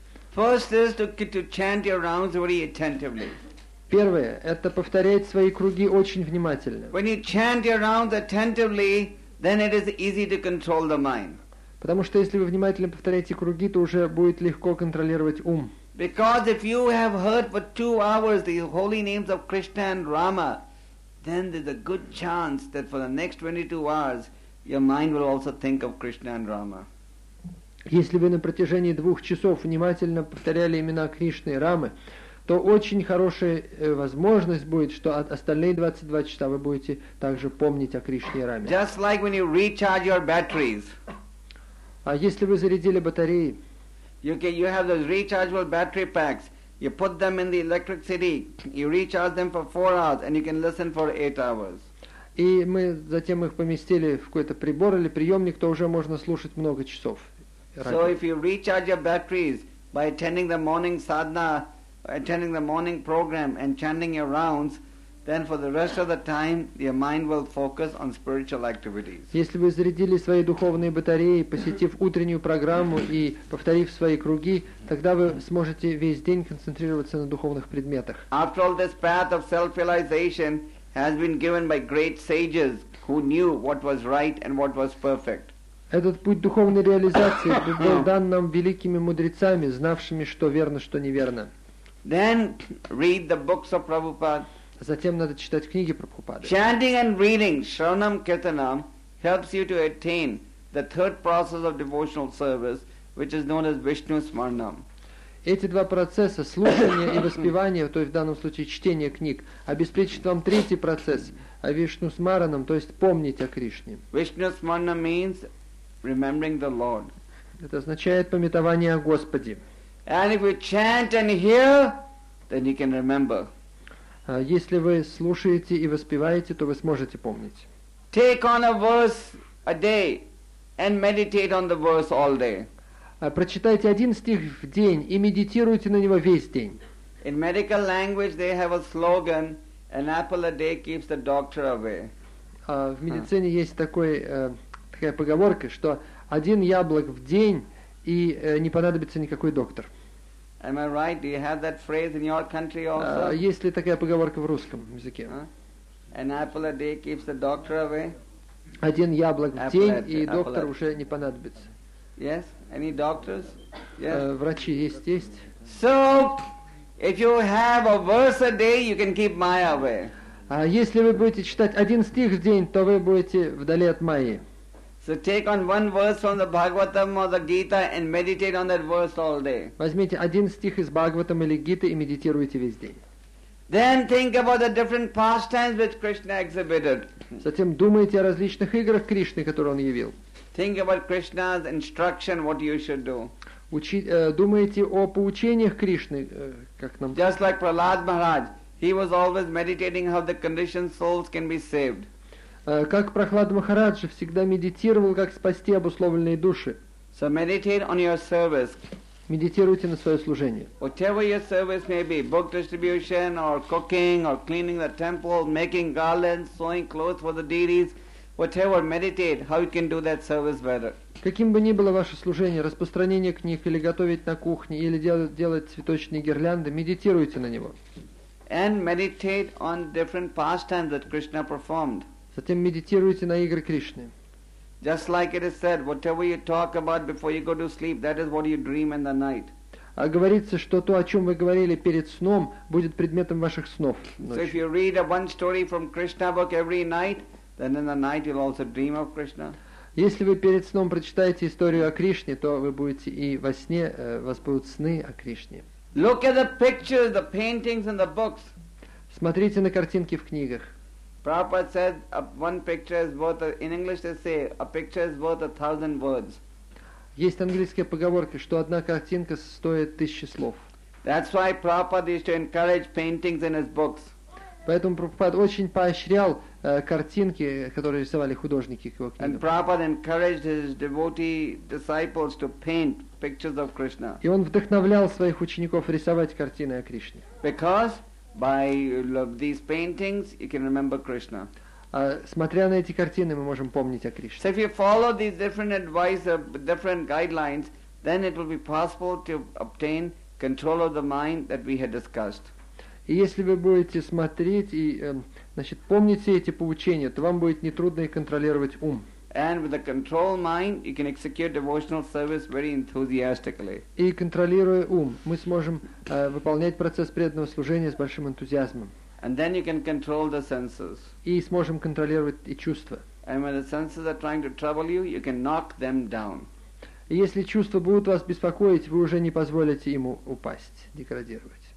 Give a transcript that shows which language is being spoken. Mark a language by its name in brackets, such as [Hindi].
[English] First is to chant your rounds very attentively. [Russian] Первое – это повторять свои круги очень внимательно. [English] When you chant your rounds attentively, then it is easy to control the mind. [Russian] Потому что если вы внимательно повторяете круги, то уже будет легко контролировать ум. [English] Because if you have heard for 2 hours the holy names of Krishna and Rama, then there's a good chance that for the next 22 hours your mind will also think of Krishna and Rama. [Russian] Если вы на протяжении 2 часов внимательно повторяли имена Кришны и Рамы, то очень хорошая возможность будет, что остальные 22 часа вы будете также помнить о Кришне и Раме. [English] Just like when you recharge your batteries. [Russian] А если вы зарядили батареи, [English] You have those rechargeable battery packs. You put them in the electric city. You recharge them for 4 hours, and you can listen for 8 hours. [Russian] И мы затем их поместили в какой-то прибор или приемник, то уже можно слушать много часов. [English] So if you recharge your batteries by attending the morning sadhana, attending the morning program, and chanting your rounds, then for the rest of the time, your mind will focus on spiritual activities. [Russian] Если вы зарядили свои духовные батареи, посетив утреннюю программу и повторив свои круги, тогда вы сможете весь день концентрироваться на духовных предметах. [English] After all, this path of self-realization has been given by great sages who knew what was right and what was perfect. [Russian] Этот путь духовной реализации был дан нам великими мудрецами, знавшими, что верно, что неверно. [English] Then read the books of Prabhupada. [Russian] Затем надо читать книги Прабхупады. [English] Chanting and reading Shravanam Kirtanam helps you to attain the third process of devotional service, which is known as Vishnu Smarnam. [Russian] Эти два процесса, слушание и воспевание, то есть в данном случае чтение книг, обеспечат вам третий процесс, Вишну Смаранам, то есть помнить о Кришне. [English] Vishnu Smarnam means remembering the Lord. [Russian] Это означает памятование о Господе. [English] And if you chant and hear, then you can remember. [Russian] Если вы слушаете и воспеваете, то вы сможете помнить. [English] Take on a verse a day and meditate on the verse all day. [Russian] Прочитайте один стих в день и медитируйте на него весь день. [English] In medical language they have a slogan, an apple a day keeps the doctor away. [Russian] В медицине есть такая поговорка, что один яблок в день и не понадобится никакой доктор. [English] Am I right? Do you have that phrase in your country also? [Russian] Есть ли такая поговорка в русском языке? [English] An apple a day keeps the doctor away. [Russian] Один яблок в день, и доктор уже не понадобится. [English] Yes? Any doctors? Yes. [Russian] Врачи есть, есть. [English] So, if you have a verse a day, you can keep Maya away. [Russian] Если вы будете читать один стих в день, то вы будете вдали от Майи. [English] So take on one verse from the Bhagavatam or the Gita and meditate on that verse all day. [Russian] Возьмите один стих из Бхагаватам или Гиты и медитируйте весь день. [English] Then think about the different pastimes which Krishna exhibited. [Russian] Затем думайте о различных играх Кришны, которые он явил. [English] Think about Krishna's instruction, what you should do. [Russian] Думайте о поучениях Кришны, как нам. [English] Just like Prahlad Maharaj, he was always meditating how the conditioned souls can be saved. [Russian] Как Прохлад Махараджа всегда медитировал, как спасти обусловленные души. [English] So meditate on your service. [Russian] Медитируйте на свое служение. [English] Whatever your service may be, book distribution, or cooking, or cleaning the temple, making garlands, sewing clothes for the deities, whatever, meditate how you can do that service better. [Russian] Каким бы ни было ваше служение, распространение книг, или готовить на кухне, или делать цветочные гирлянды, медитируйте на него. [English] And meditate on different pastimes that Krishna performed. [Russian] Затем медитируйте на игры Кришны. [English] Just like it is said, whatever you talk about before you go to sleep, that is what you dream in the night. [Russian] А говорится, что то, о чем вы говорили перед сном, будет предметом ваших снов ночью. [English] So if you read one story from Krishna book every night, then in the night you'll also dream of Krishna. [Russian] Если вы перед сном прочитаете историю о Кришне, то вы будете и во сне, вас будут сны о Кришне. [English] Look at the pictures, the paintings and the books. [Russian] Смотрите на картинки в книгах. [English] Prabhupada said one picture is worth, in English they say, a picture is worth 1,000 words. [Russian] Есть английская поговорка, что одна картинка стоит 1,000 слов. [English] That's why Prabhupada used to encourage paintings in his books. [Russian] Поэтому Прабхупад очень поощрял картинки, которые рисовали художники к его книгам. [English] And Prabhupada encouraged his devotee disciples to paint pictures of Krishna. [Russian] И он вдохновлял своих учеников рисовать картины о Кришне. [English] Because by these paintings, you can remember Krishna. [Russian] Смотря на эти картины, мы можем помнить о Кришне. [English] So if you follow these different advice, different guidelines, then it will be possible to obtain control of the mind that we had discussed. [Russian] И если вы будете смотреть и, значит, помнить все эти поучения, то вам будет нетрудно и контролировать ум. [English] And with a controlled mind, you can execute devotional service very enthusiastically. [Russian] И контролируя ум, мы сможем выполнять процесс преданного служения с большим энтузиазмом. [English] And then you can control the senses. [Russian] И сможем контролировать и чувства. [English] And when the senses are trying to trouble you, you can knock them down. [Russian] И если чувства будут вас беспокоить, вы уже не позволите ему упасть, деградировать.